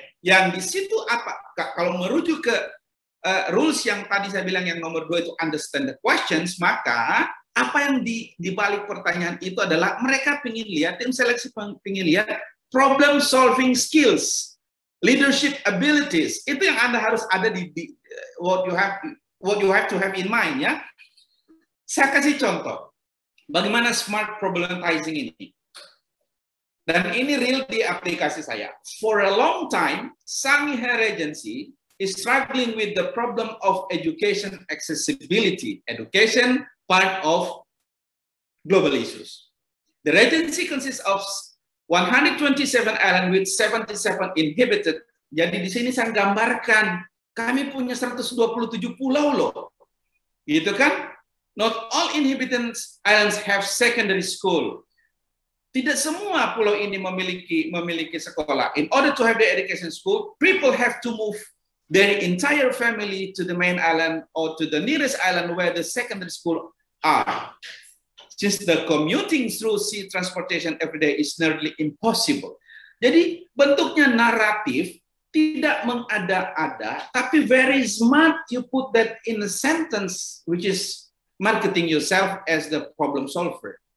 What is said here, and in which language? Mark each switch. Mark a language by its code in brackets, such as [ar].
[id] Yang di situ apa? Kalau merujuk ke rules yang tadi saya bilang yang nomor 2 itu [en] understand the questions, [id] maka apa yang di balik pertanyaan itu adalah mereka pengin lihat, tim seleksi pengin lihat [en] problem solving skills, leadership abilities. [id] Itu yang Anda harus ada di [en] what you have to have in mind [id] ya. Saya kasih contoh bagaimana smart problematizing ini. Dan ini real di aplikasi saya. [en] For a long time, Sangi Hair Agency is struggling with the problem of education accessibility. Education part of global issues. The regency consists of 127 islands with 77 inhabited. [id] Jadi di sini saya gambarkan kami punya 127 pulau loh. Gitu kan? [en] Not all inhabited islands have secondary school. [id] Tidak semua pulau ini memiliki sekolah. [en] In order to have the education school, people have to move their entire family to the main island or to the nearest island where the secondary school are. Since the commuting through sea transportation every day is nearly impossible. [id] Jadi bentuknya naratif, tidak mengada-ada, tapi [en] very smart you put that in a sentence which is marketing yourself as the problem solver.